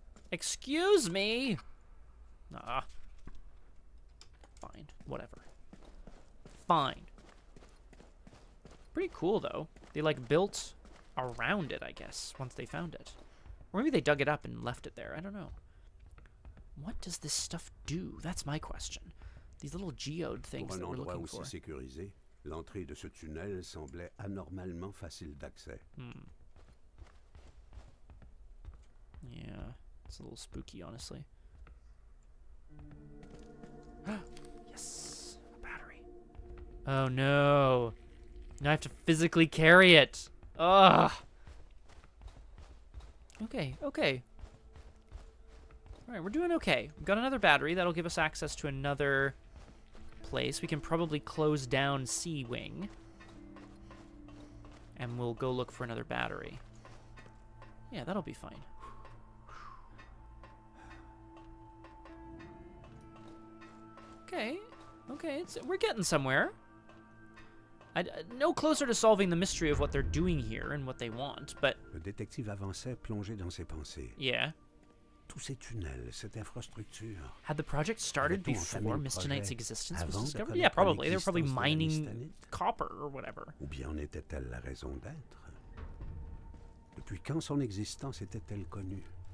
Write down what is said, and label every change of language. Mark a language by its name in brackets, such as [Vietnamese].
[English] Excuse me! Nah. Fine. Whatever. Fine. Pretty cool, though. They, like, built around it, I guess, once they found it. Or maybe they dug it up and left it there. I don't know. What does this stuff do? That's my question. These little geode things that we're looking for. [French] Aussi sécurisé, l'entrée de ce tunnel semblait anormalement facile d'accès. Hmm. [English] Yeah, it's a little spooky, honestly. Yes, a battery. Oh no. Now I have to physically carry it. Ugh. Okay, okay. Alright, we're doing okay. We've got another battery. That'll give us access to another place. We can probably close down C-Wing. And we'll go look for another battery. Yeah, that'll be fine. Okay. Okay, we're getting somewhere. No closer to solving the mystery of what they're doing here and what they want, but... [French] Le détective avançait, plongé dans ses pensées. [English] Yeah. [French] Tous ces tunnels, cette infrastructure... [English] Had the project started before Mr. Knight's existence was discovered? Yeah, probably. They were probably mining copper or whatever. [French] Ou bien en était-elle la raison d'être? Depuis quand son existence était-elle connue?